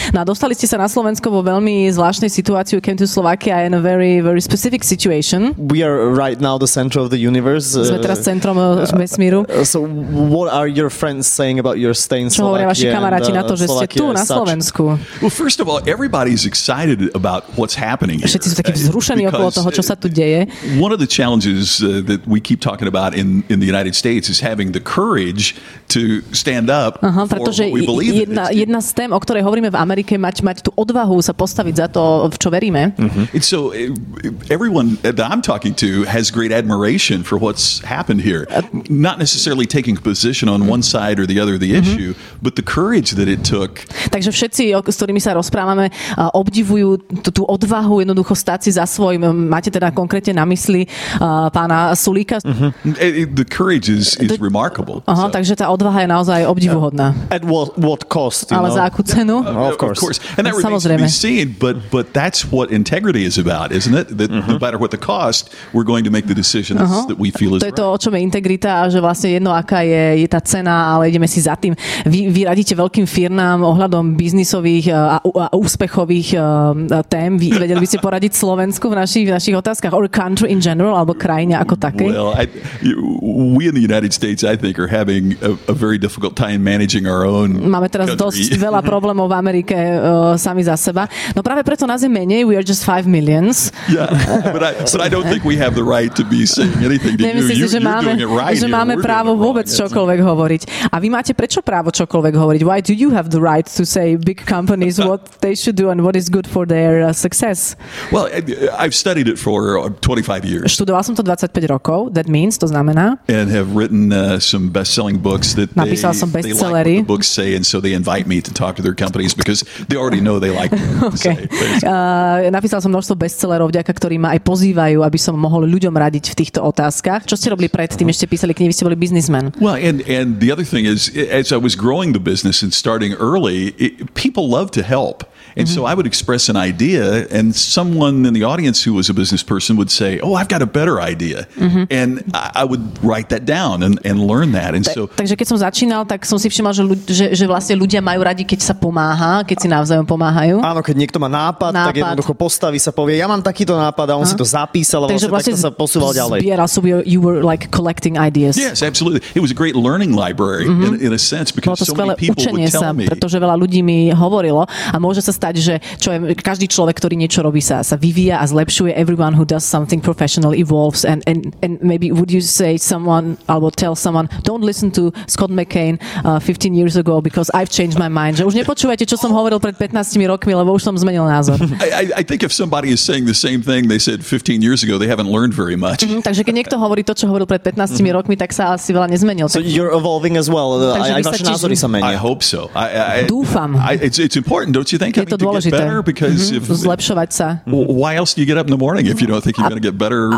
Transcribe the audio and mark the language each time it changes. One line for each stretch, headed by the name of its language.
Slovak: No a dostali ste sa na Slovensko vo veľmi zvláštnej situácii.
English: Came to Slovakia in a very, very specific situation. We are right now the center of the universe.
Slovak: Sme teraz centrom vesmíru.
English: So what are your friends saying about your stay in Slovakia?
Slovak: Čo hovoria vaši kamaráti na to, že ste tu na Slovensku?
English: Well, first of all, everybody is excited about what's happening here.
Slovak: Všetci sú takí vzrušení okolo toho, čo sa tu deje.
English: One of the challenges that we keep talking about in the United States is having the courage to stand up for what we believe.
Slovak: Jedna z tém, o ktorej hovoríme v Amerike, mať tú odvahu sa postaviť za to, v čo veríme. Mm-hmm.
English: So everyone that I'm talking to has great admiration for what's happened here. Not necessarily taking a position on one side or the other of the issue, but the courage that it took.
Slovak: Takže všetci, s ktorými sa rozprávame, obdivujú tú odvahu jednoducho stať si za svojím. Máte teda konkrétne na mysli pána Sulíka?
English: The courage is remarkable.
Slovak: Aha, so. Takže tá odvaha je naozaj obdivuhodná.
English: At what cost, you
Slovak: ale
English: know?
Slovak: Za akú cenu?
English: Of course. And that remains to be seen, but that's what integrity is about, isn't it? That no matter what the cost, we're going to make the decision that we feel is right.
Slovak: To je to, o čom je integrita, že vlastne jedno, aká je tá cena, ale ideme si za tým. Vy radíte veľkým firmám ohľadom biznisových a úspechových tém. Vedeli by ste poradiť Slovensku v našich otázkach?
English: Or country in general,
Slovak: alebo krajine ako také?
English: Well, we in the United States, I think, are having a very difficult time managing our own country.
Slovak: Máme teraz dosť veľa problémov v Amerike sami za seba. No práve preto nás je menej.
English: We are just 5 millions. Yeah, but I don't think we have the right to be saying anything to you. You're doing it right.
Slovak: Že máme právo vôbec čokoľvek hovoriť. A vy máte prečo právo čokoľvek hovoriť?
English: Why do you have the right to say big companies what they should do and what is good for their success? Well, I've studied it for 25 years.
Slovak: Študoval som to 25 rokov.
English: That means,
Slovak: to znamená.
English: And have written some best-selling books that they like what the books say, and so they invite me to talk to their companies because they already know they like what they say.
Slovak: Napísal som množstvo bestsellerov, vďaka ktorým ma aj pozývajú, aby som mohol ľuďom radiť v týchto otázkach. Čo ste robili predtým, ešte písali knihy, ste boli biznismen?
English: Well, and the other thing is, as I was growing the business and starting early, people love to help. And so I would express an idea and someone in the audience who was a business person would say, "Oh, I've got a better idea." Mm-hmm. And I would write that down and learn that. And
Slovak: takže keď som začínal, tak som si všimol, že vlastne ľudia majú radi, keď sa pomáha, keď si navzájom pomáhajú. Áno, keď niekto má nápad. Tak jednoducho postaví sa, povie, ja mám takýto nápad a on si to zapísal a vlastne takto sa posúval ďalej. Zbieral,
English: so you were like collecting ideas. Yes, absolutely. It was a great learning library in a sense because so many people would tell me.
Slovak: Pretože veľa ľudí mi hovorilo a môže sa stať, že čo je, každý človek, ktorý niečo robí, sa vyvíja a zlepšuje.
English: Everyone who does something professional evolves and maybe would you say someone, alebo tell someone, don't listen to Scott McCain 15 years ago because I've changed my mind.
Slovak: Že už nepočúvajte, čo som hovoril pred 15 rokmi, lebo už som zmenil názor.
English: I think if somebody is saying the same thing they said 15 years ago, they haven't learned very much.
Slovak: Takže keď niekto hovorí to, čo hovoril pred 15 rokmi, tak sa asi veľa nezmenil.
English: So you're evolving as well.
Slovak: Naše názory sa menia.
English: I hope so.
Slovak: Dúfam.
English: It's important, don't you think?
Slovak: Je to dôležité. Zlepšovať sa.
English: Why else do you get up in the morning if you don't think you're going to get better?